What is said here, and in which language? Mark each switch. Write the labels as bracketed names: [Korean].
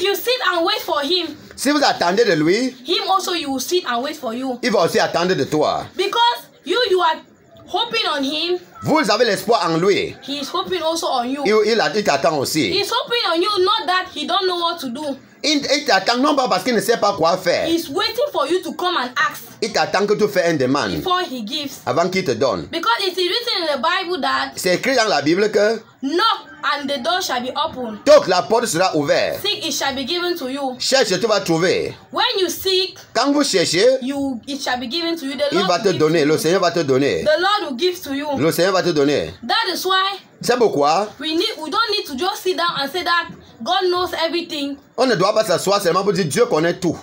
[English] Because if you sit and wait for him, [French] si vous attendez de lui, [English] him also you will sit and wait for you. [French] Il va aussi attendre de toi. [English] Because you are hoping on him. [French] Vous avez l'espoir en lui. [English] He is hoping also on you. [French] Il t'attend aussi. [English] He is hoping on you, not that he don't know what to do. [French] Il t'attend non pas parce qu'il ne sait pas quoi faire. [English] He is waiting for you to come and ask. [French] Il t'attend que tu fasses un demande. [English] Before he gives. [French] Avant qu'il te donne. [English] Because it is written in the Bible that. [French] C'est écrit dans la Bible que. [English] Knock and the door shall be opened. [French] Toc, la porte sera ouverte. [English] Seek, it shall be given to you. [French] Cherche, tu vas trouver. [English] When you seek. [French] Quand vous cherchez. [English] It shall be given to you. [French] The Lord il va te donner. Le Seigneur va te donner. [English] The Lord will give to you. [French] Le Seigneur va te donner. [English] That is why. [French] C'est pourquoi. [English] We don't need to just sit down and say that. God knows everything. [French] On ne doit pas s'asseoir seulement pour dire Dieu connaît tout.